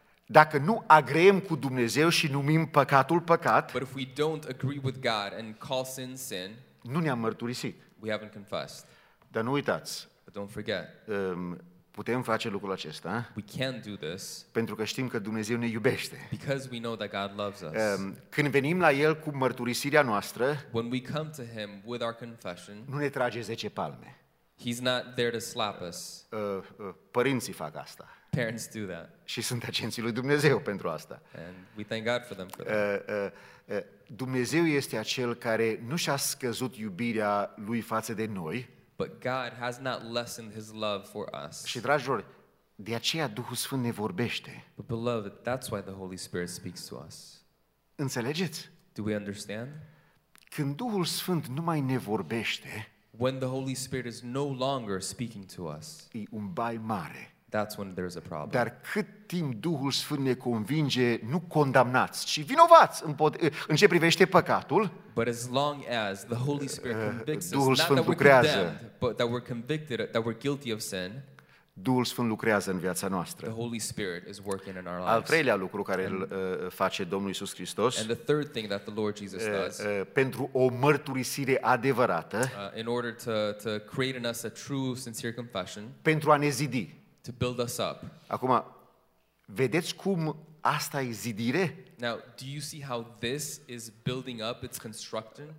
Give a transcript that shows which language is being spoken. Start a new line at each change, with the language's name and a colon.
Romanian: Dacă nu agreem cu Dumnezeu și numim păcatul păcat,
English: but if we don't agree with God and call sin sin,
Romanian: nu ne-am mărturisit.
English: We haven't confessed.
Romanian: Dar nu uitați.
English: Don't forget.
Romanian: Putem face lucrul acesta.
English: We can do this.
Romanian: Pentru că știm că Dumnezeu ne iubește.
English: Because we know that God loves us.
Romanian: Când venim la el cu mărturisirea noastră,
English: when we come to him with our confession,
Romanian: nu ne trage 10 palme.
English: He's not there to slap us.
Romanian: Părinții fac asta.
English: Parents do that.
Romanian: Și sunt agenții lui Dumnezeu pentru asta.
English: And we thank God for them for that.
Romanian: Dumnezeu este acel care nu și-a scăzut iubirea lui față de noi.
English: But God has not lessened his love for us.
Romanian: Și dragilor, de aceea Duhul Sfânt ne vorbește.
English: But beloved, that's why the Holy Spirit speaks to us.
Romanian: Înțelegeți?
English: Do we understand?
Romanian: Când Duhul Sfânt nu mai ne vorbește,
English: when the Holy Spirit is no longer speaking to us,
Romanian: e un bai mare.
English: That's when there's a problem.
Romanian: Dar cât timp Duhul Sfânt ne convinge, nu condamnați, ci vinovați în ce privește păcatul.
English: But as long as the Holy Spirit convicts
Romanian: Duhul
English: us,
Romanian: Sfânt
English: not
Romanian: lucrează.
English: That we're condemned, but that we're convicted, that we're guilty of sin.
Romanian: Duhul Sfânt lucrează în viața noastră.
English: The Holy Spirit is working in our lives.
Romanian: Al treilea lucru care îl face Domnul Iisus Hristos.
English: And the third thing that the Lord Jesus does.
Romanian: Pentru o mărturisire adevărată.
English: In order to create in us a true sincere confession.
Romanian: Pentru a ne zidi.
English: To build us up.
Romanian: Acum, vedeți cum asta e zidire?
English: Now, do you see how this is building up, it's constructing?